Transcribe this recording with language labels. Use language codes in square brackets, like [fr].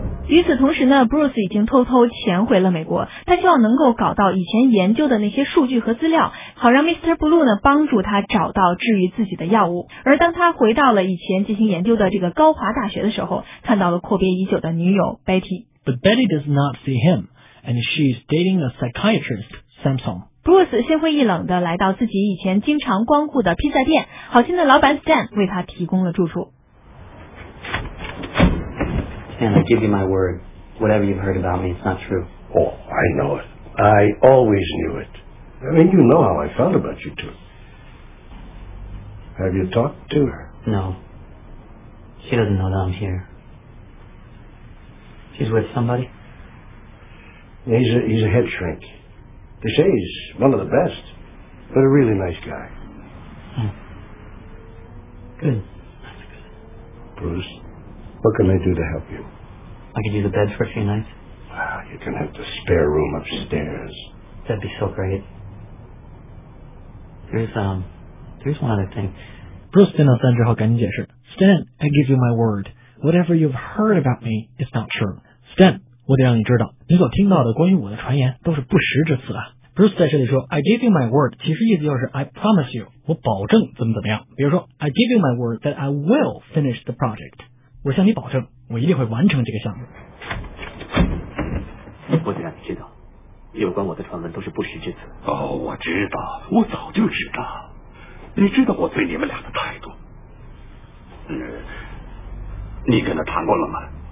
[zh] 与此同时呢， Bruce 已经偷偷潜回了美国，他希望能够搞到以前研究的那些数据和资料，好让 Mr. Blue 呢帮助他找到治愈自己的药物。而当他回到了以前进行研究的这个高华大学的时候，看到了阔别已久的女友 Betty。 [en] But Betty does not see him, and she is dating a psychiatrist, Samson. [zh] Bruce 心灰意冷地来到自己以前经常光顾的披萨店，好心的老板 Stan 为他提供了住处。 [en] Stan, I give you my word. Whatever you've heard about me, it's not true. Oh, I know it. I always knew it. I mean, you know how I felt about you two. Have you talked to her? No. She doesn't know that I'm here. She's with somebody? He's a head shrink. They say he's one of the best, but a really nice guy. Good. Bruce, what can I do to help you? I could use a bed for a few nights. Well, you can have the spare room upstairs. That'd be so great. There's one other thing. [zh] Bruce 听到三之后赶紧解释。 [en] Stan, I give you my word. Whatever you've heard about me is not true. [zh] Stan, 我得让你知道，你所听到的关于我的传言都是不实之词啊。 Bruce 在这里说 [en] I give you my word, [zh] 其实意思就是 [en] I promise you, [zh] 我保证怎么怎么样。比如说 [en] I give you my word that I will finish the project. [zh] 我向你保证，我一定会完成这个项目。我得让你知道，有关我的传闻都是不实之词。哦，我知道，我早就知道。你知道我对你们俩的态度。你跟他谈过了吗？